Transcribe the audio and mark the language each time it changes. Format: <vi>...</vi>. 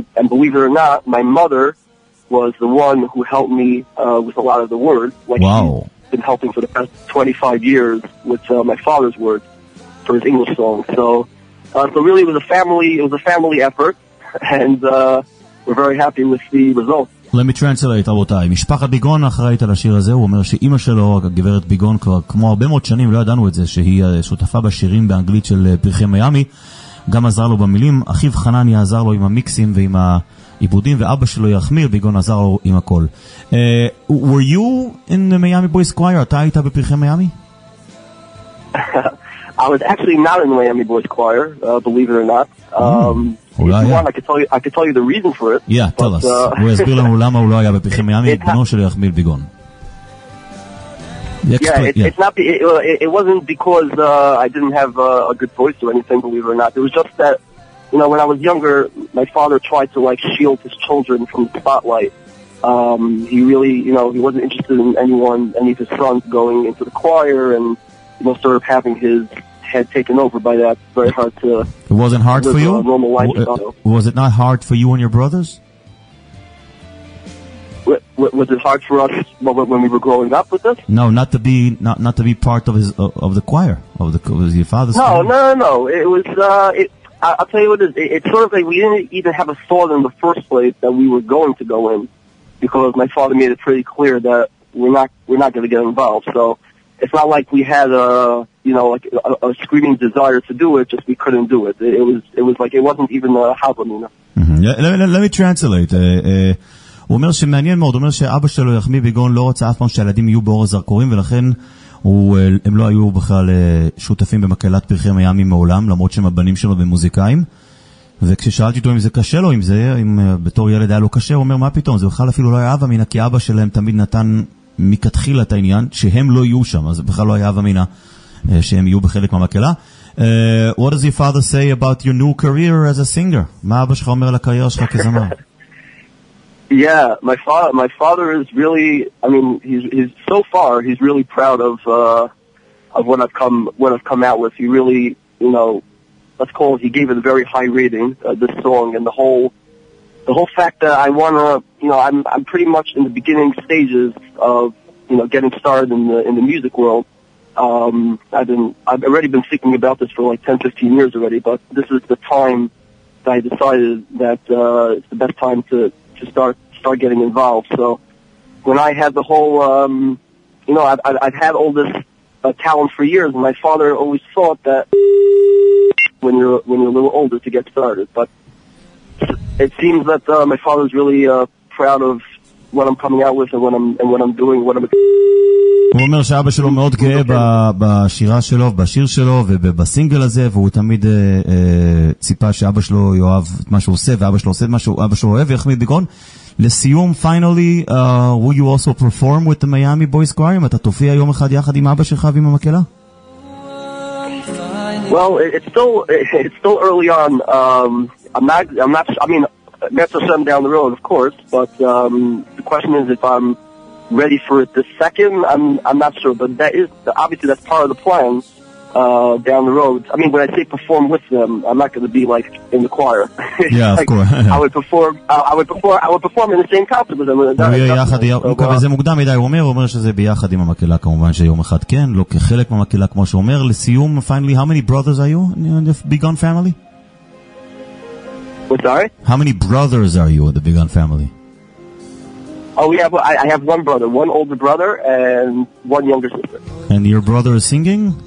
<en>And believe it or not, my mother was the one who helped me with a lot of the words. Like, wow. He's been helping for the past 25 years with my father's words for his English song. So really it was a family effort, and we're very happy with the results. Let me translate,</en> <he>רבותיי. משפחת ביגון אחראית על השיר הזה. הוא אומר שאימא שלו, הגברת ביגון, כבר כמו הרבה מאוד שנים, לא ידענו את זה, שהיא שותפה בשירים באנגלית של פרחי מיאמי, גם עזר לו במילים, אחיו חנניה עזר לו עם המיקסים ועם העיבודים, ואבא שלו ירחמיאל ביגון עזר לו עם הכל.</he> <en>Were you in the Miami Boys Choir?</en> <he>אתה היית בפרחי מיאמי?</he> <en>I was actually not in the Miami Boys Choir, believe it or not. I could tell you the reason for it. Yeah, tell us.</en> <he>הוא יסביר לנו למה הוא לא היה בפרחי מיאמי, בנו של ירחמיאל ביגון.</he> <en>It wasn't because I didn't have a good voice or anything, believe it or not. It was just that, you know, when I was younger, my father tried to, like, shield his children from the spotlight. He really, you know, he wasn't interested in anyone, any of his sons going into the choir, and, you know, sort of having his head taken over by that. Very hard to... It wasn't hard for you? Normal life. Was it not hard for you and your brothers? Was it hard for us when we were growing up with this? No, not to be part of his of the choir of the of your father's. No, choir. No. It was. I'll tell you what it is. It's sort of like we didn't even have a thought in the first place that we were going to go in, because my father made it pretty clear that we're not going to get involved. So it's not like we had a screaming desire to do it. Just we couldn't do it. It was like it wasn't even a habanina. You know? Mm-hmm. Yeah. Let me translate.</en> <he>הוא אומר שמעניין מאוד, הוא אומר שאבא שלו יחמיא ביגון לא רוצה אף פעם שהילדים יהיו באור הזרקורים, ולכן הם לא היו בכלל שותפים במקהלת פרחי מיאמי מעולם, למרות שהם הבנים שלו במוזיקאים. וכששאלתי אותו אם זה קשה לו, אם בתור ילד היה לו קשה, הוא אומר מה פתאום, זה בכלל אפילו לא היה אבא מן, כי אבא שלהם תמיד נתן מכתחיל את העניין, שהם לא יהיו שם, אז בכלל לא היה ומינה שהם יהיו בחלק מהמקלה.</he> <en>What does your father say about your new career as a singer?</en> <he>מה אבא שלך אומר על הקריירה שלך כזמר?</he> <en>Yeah, my father is really, I mean, he's so far he's really proud of what I've come out with. He really, you know, let's call it, he gave it a very high rating, this song, and the whole fact that I want to, you know, I'm pretty much in the beginning stages of, you know, getting started in the music world. I've already been thinking about this for like 10-15 years already, but this is the time that I decided that it's the best time to start getting involved. So when I had the whole you know, I've had all this talent for years, and my father always thought that when you're a little older to get started, but it seems that my father's really proud of what I'm coming out with and what I'm doing, what I'm</en> <he>הוא אומר שאבא שלו מאוד גאה בשירה שלו ובשיר שלו ובסינגל הזה, והוא תמיד ציפה שאבא שלו יאהב את מה שהוא עושה, ואבא שלו עושה את מה שאבא שלו אוהב, יחמיד דגון. לסיום,</he> <en>finally, will you also perform with the Miami Boys Choir?</en> <he>אתה תופיע יום אחד יחד עם אבא שלך ועם המקלה?</he> <en>Well, it's still early on. I'm not some down the road, of course, but the question is if I'm ready for it the second, I'm not sure, but that is obviously, that's part of the plan down the road. I mean, when I say perform with them, I'm not going to be like in the choir. Yeah, like, of course. I would perform in the same concert with them.</en> <he>הוא יהיה יחד, הוא קווה זה מוקדם מדי, הוא אומר שזה ביחד עם המקלה, כמובן שיום אחד כן, לא כחלק מהמקלה, כמו שאומר. לסיום,</he> <en>finally, how many brothers are you in the Bigon family? What, sorry? How many brothers are you in the Bigon family? Oh, yeah, but I have one brother, one older brother, and one younger sister. And your brother is singing?</en>